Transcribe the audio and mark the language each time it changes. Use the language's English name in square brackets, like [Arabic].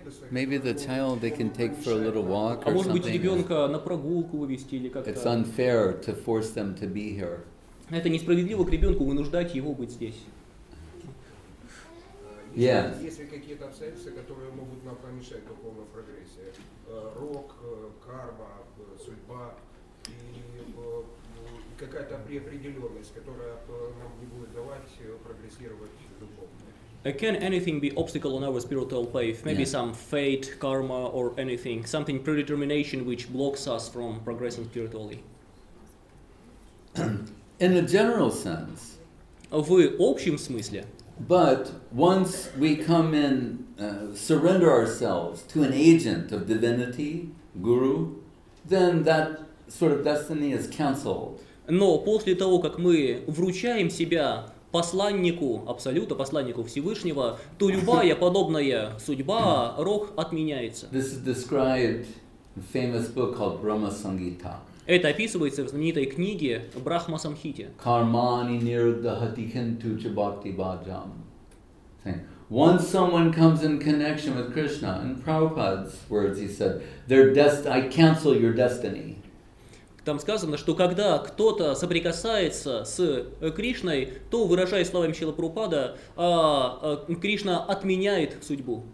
[English] Maybe the child they can take for a little walk or [Russian] может быть, ребенка на прогулку вывести или как-то... [English] It's unfair to force them to be here. [Russian] Это несправедливо к ребенку вынуждать его быть здесь. Есть ли какие-то обстоятельства, которые могут нам помешать духовной прогрессии? Рок, карма, судьба и какая-то преопределенность, которая нам не будет давать прогрессировать духовно. [English] Can anything be obstacle on our spiritual path? Maybe some fate, karma or anything, something predetermination which blocks us from progressing spiritually? In a general sense. [Russian] В общем смысле. [English] But once we come in, surrender ourselves to an agent of divinity, guru, then that sort of destiny is cancelled. [Russian] Но после того, как мы вручаем себя посланнику Абсолюта, посланнику Всевышнего, то любая подобная судьба, рок отменяется. [English] This is described in a famous book called Brahma Sangita. [Russian] Это описывается в знаменитой книге Брахма Самхите. [Sanskrit] Кармани нирдхати кинтуча бхакти баджам. [English] Once someone comes in connection with Krishna, in Prabhupada's words, he said, I cancel your destiny. [Russian] Там сказано, что когда кто-то соприкасается с Кришной, то, выражая словами Шрилы Прабхупады, Кришна отменяет судьбу.